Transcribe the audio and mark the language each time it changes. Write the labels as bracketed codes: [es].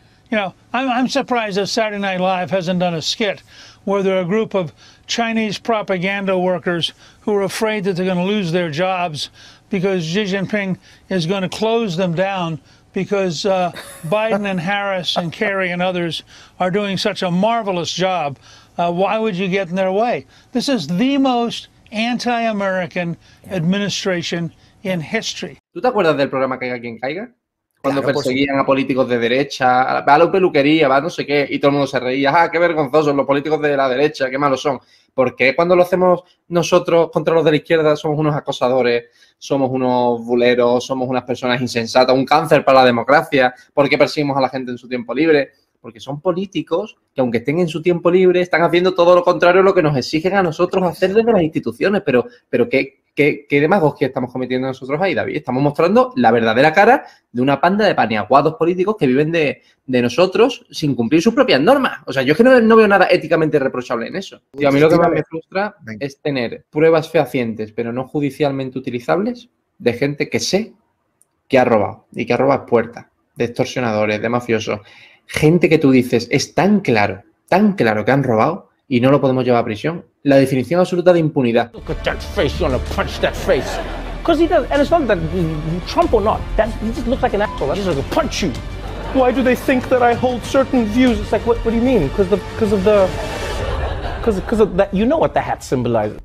[en] You know, I'm surprised that Saturday Night Live hasn't done a skit where there are a group of Chinese propaganda workers who are afraid that they're going to lose their jobs because Xi Jinping is going to close them down. Because Biden and Harris and Kerry and others are doing such a marvelous job, why would you get in their way? This is the most anti-American administration in history. [es] ¿Tú te acuerdas del programa Caiga Quien Caiga? cuando claro, perseguían a políticos de derecha, va a la peluquería, va a no sé qué, y todo el mundo se reía, ah, qué vergonzosos los políticos de la derecha, qué malos son. ¿Por qué cuando lo hacemos nosotros contra los de la izquierda somos unos acosadores, somos unos buleros, somos unas personas insensatas, un cáncer para la democracia? ¿Por qué perseguimos a la gente en su tiempo libre? Porque son políticos que aunque estén en su tiempo libre están haciendo todo lo contrario a lo que nos exigen a nosotros hacer desde las instituciones. Pero ¿qué demagogia estamos cometiendo nosotros ahí, David? Estamos mostrando la verdadera cara de una panda de paniaguados políticos que viven de nosotros sin cumplir sus propias normas. O sea, yo es que no veo nada éticamente reprochable en eso. Y a mí lo que más me frustra es tener pruebas fehacientes, pero no judicialmente utilizables, de gente que sé que ha robado y que ha robado puertas de extorsionadores, de mafiosos. Gente que tú dices, es tan claro que han robado y no lo podemos llevar a prisión. La definición absoluta de impunidad. [en] Look at that face, you wanna punch that face. Because he does, and it's not that Trump or not, that he just looks like an asshole. He's gonna punch you. Why do they think that I hold certain views? It's like, what do you mean? Because of that, you know what the hat symbolizes.